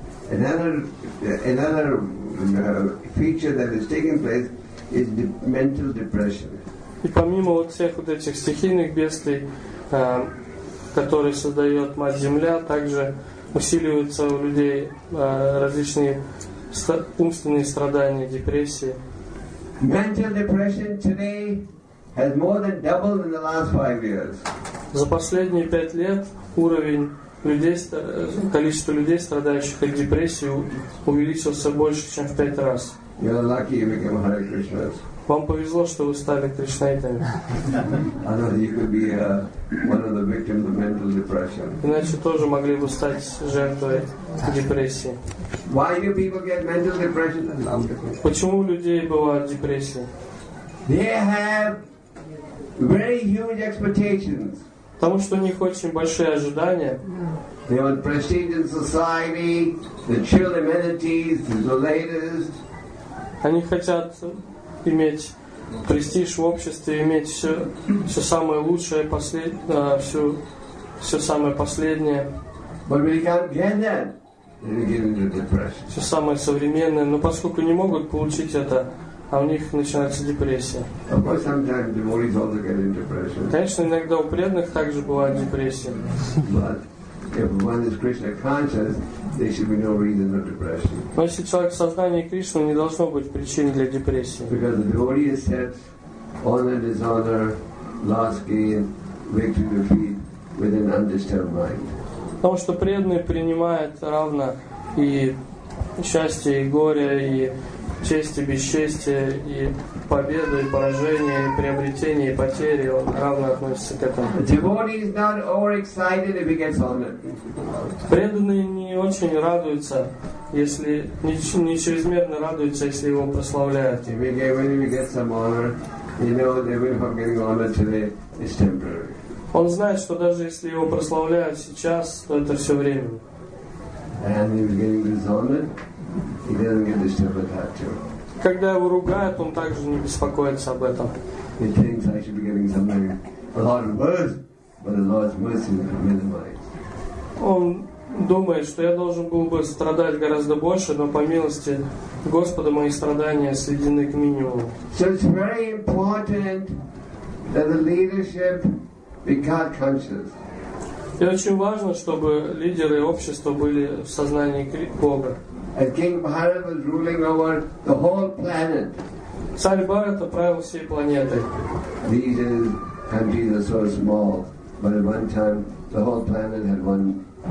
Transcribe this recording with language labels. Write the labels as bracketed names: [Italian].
[English] Another feature that is taking place is mental depression. [Russian] И помимо вот всех вот этих стихийных бедствий, которые создает Мать Земля, также усиливаются у людей различные умственные страдания, депрессии. [English] Mental depression today has more than doubled in the last 5 years. [Russian] За последние 5 лет уровень количество людей, страдающих от депрессии, увеличилось больше, чем в 5 раз. [English] You're lucky you became Hare Krishnas. [Russian] Вам повезло, что вы стали кришнаитами. [English] Otherwise you could be one of the victims of mental depression. [Russian] Иначе тоже могли бы стать жертвой депрессии. [English] Why do people get mental depression? [Russian] Почему у людей бывает депрессия? [English] They have very huge expectations. [Russian] Потому что у них очень большие ожидания. [English] They want prestige in society, the chill amenities, the latest. [Russian] Они хотят иметь престиж в обществе, иметь все самое лучшее, все самое последнее. [English] But we can't get that. They get into depression. [Russian] Все самое современное, но поскольку не могут получить это, а у них начинается депрессия. [English] Of course, sometimes devotees also get into depression. [Russian] Конечно, иногда у преданных также бывает депрессия. [English] But if one is Krishna conscious, there should be no reason for depression. [Russian] Но если человек в сознании Кришны, не должно быть причин для депрессии. [English] Because the devotee has set honor, dishonor, loss, gain, victory, defeat with an undisturbed mind. [Russian] Потому что преданный принимает равно и счастье, и горе, и честь и бесчестие, и победа, и поражение, и приобретение, и потери, он равно относится к этому. [English] Devotee is not overexcited if he gets honored. [Russian] Преданный не очень радуется, если не чрезмерно радуется, если его прославляют. [English] If we get, when we get some honor, you know that even if I'm getting honored today, it's temporary. [Russian] Он знает, что даже если его прославляют сейчас, то это все время. [English] And if he's getting dishonored, he doesn't get disturbed with that too. [Russian] Когда его ругают, он также не беспокоится об этом. [English] He thinks I should be getting something a lot worse, but the Lord's mercy is minimized. [Russian] Он думает, что я должен был бы страдать гораздо больше, но по милости Господа мои страдания сведены к минимуму. [English] So it's very important that the leadership be God conscious. [Russian] И очень важно, чтобы лидеры общества были в сознании Бога. [English] And King Bharata was ruling over the whole planet. [Russian] Царь Бхарата правил всей планетой. [English] These countries are so small, but at one time the whole planet had one.